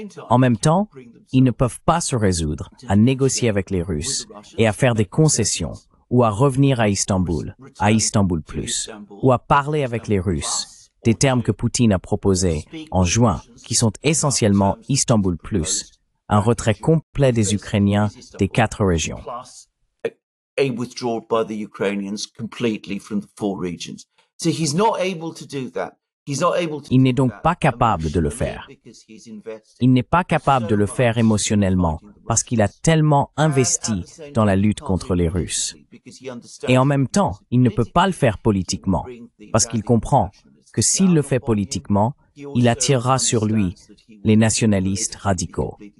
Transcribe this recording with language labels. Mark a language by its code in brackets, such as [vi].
[fr] En même temps, ils ne peuvent pas se résoudre à négocier avec les Russes et à faire des concessions ou à revenir à Istanbul plus, ou à parler avec les Russes des termes que Poutine a proposés en juin, qui sont essentiellement Istanbul plus, un retrait complet des Ukrainiens des quatre régions. [en] A withdrawal by the Ukrainians completely from the four regions. So he's not able to do that. [fr] Il n'est donc pas capable de le faire. Il n'est pas capable de le faire émotionnellement parce qu'il a tellement investi dans la lutte contre les Russes. Et en même temps, il ne peut pas le faire politiquement parce qu'il comprend que s'il le fait politiquement, il attirera sur lui les nationalistes radicaux.